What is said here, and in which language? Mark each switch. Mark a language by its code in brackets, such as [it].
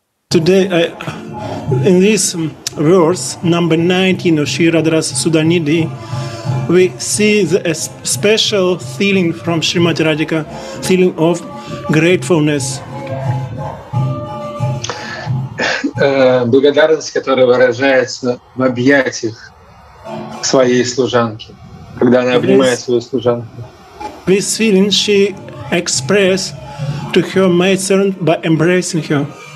[en] Today, in this verse number 19 of Shri Radharas Sudhanidhi, we see the special feeling from Srimati Radhika, feeling of gratefulness. [ru] Благодарность, которая выражается в объятиях своей служанки, когда она обнимает свою служанку. [en] This feeling she expressed to her maidservant by embracing her.